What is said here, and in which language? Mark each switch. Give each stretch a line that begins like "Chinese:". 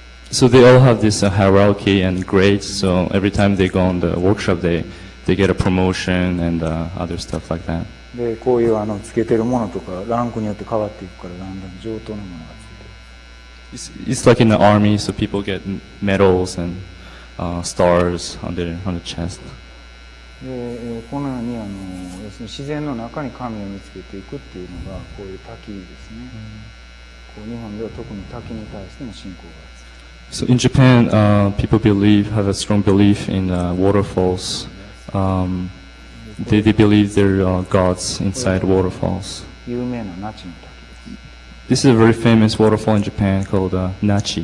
English: So they all have this hierarchy and grades, so every time they go on the workshop, they get a promotion and other stuff like that.
Japanese: で、こういうあのつけてるものとかランクによって変わっていくからだんだん上等なものがついてる。
English: It's like in the army, so people get medals and stars on the chest.
Japanese: で、このようにあの要するに自然の中に神を見つけていくっていうのがこういう滝ですね。こう日本では特に滝に対しての信仰がついてる。
English: So in Japan, people have a strong belief in waterfalls. They believe there are gods inside waterfalls. This is a very famous waterfall in Japan called Nachi.